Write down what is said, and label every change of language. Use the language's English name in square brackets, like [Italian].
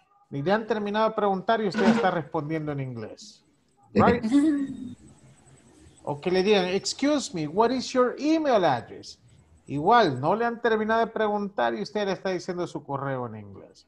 [Spanish] Ni le han terminado de preguntar y usted está respondiendo en inglés. [English] Right? [Spanish] O que le digan, [English] excuse me, what is your email address? [Spanish] Igual, no le han terminado de preguntar y usted le está diciendo su correo en inglés.